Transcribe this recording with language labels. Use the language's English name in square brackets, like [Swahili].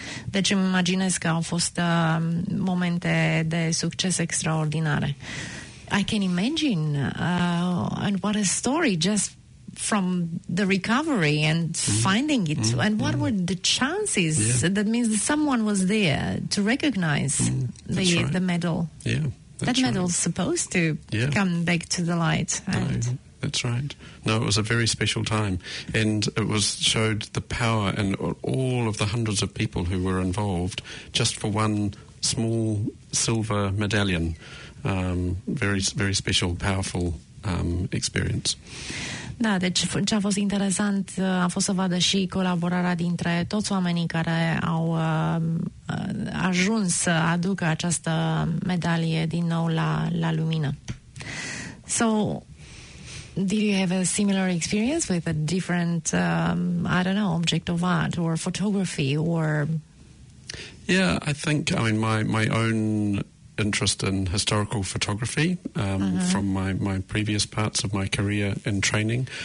[Romanian] Deci îmi imaginez că au fost momente de succes extraordinare. [English] I can imagine, and what a story just from the recovery and finding it. Mm-hmm. And what were the chances? Yeah. That means that someone was there to recognize the medal. Yeah, that medal's supposed to come back to the light. And that's right. No, it was a very special time, and it was showed the power and all of the hundreds of people who were involved just for one small silver medallion. Very, very special, powerful experience. [Romanian] Da, deci ce a fost interesant a fost să vadă și colaborarea dintre toți oamenii care au ajuns să aducă această medalie din nou la lumină. [English] So, did you have a similar experience with a different, I don't know, object of art or photography or... Yeah, I think, I mean, my own interest in historical photography from my previous parts of my career and training.